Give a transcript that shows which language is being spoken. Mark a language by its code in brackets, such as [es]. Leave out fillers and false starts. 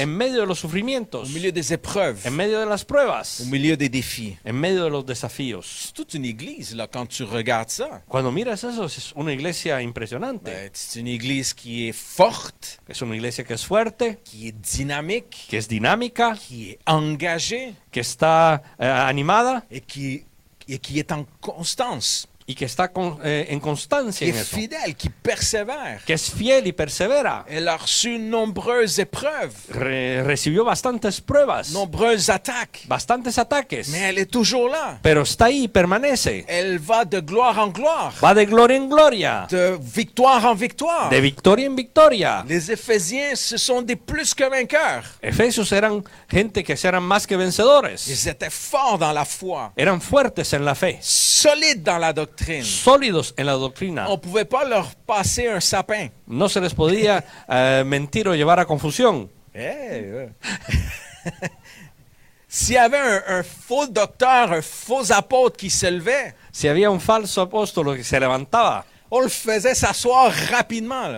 [es] En medio de los sufrimientos. [fr] Au milieu des épreuves. [es] En medio de las pruebas. [fr] Au milieu des défis. [es] En medio de los desafíos. [fr] C'est toute une église là quand tu regardes ça. [es] Cuando miras eso es una iglesia impresionante. [fr] C'est une église qui est forte. [es] Es una iglesia que es fuerte. [fr] Qui est dynamique. [es] Que es dinámica. [fr] Qui est engagée. [es] Que está animada. [fr] Et qui est en constance. [es] Y que está con, en constancia [fr] qui en est fidèle, qui persévère. [es] Que es fiel y persevera. [fr] Elle a reçu nombreuses épreuves. [es] Recibió bastantes pruebas. [fr] Nombreuses attaques. [es] Bastantes ataques. [fr] Mais elle est toujours là. [es] Pero está ahí, permanece. [fr] Elle va de gloire en gloire. [es] Va de gloria en gloria. [fr] De victoire en victoire. [es] De victoria en victoria. [fr] Les Éphésiens, ce sont des plus que vainqueurs. [es] Efesios eran gente que eran más que vencedores. [fr] Ils étaient forts dans la foi. [es] Eran fuertes en la fe. [fr] Solides dans la doctrine. [es] Sólidos en la doctrina. [fr] On pouvait pas leur passer un sapin. [es] No se les podía mentir o llevar a confusión. [fr] S'il y avait un faux docteur, un faux apôtre qui se levait, [es] si había un falso apóstol que se levantaba, [fr] on le faisait s'asseoir rapidement.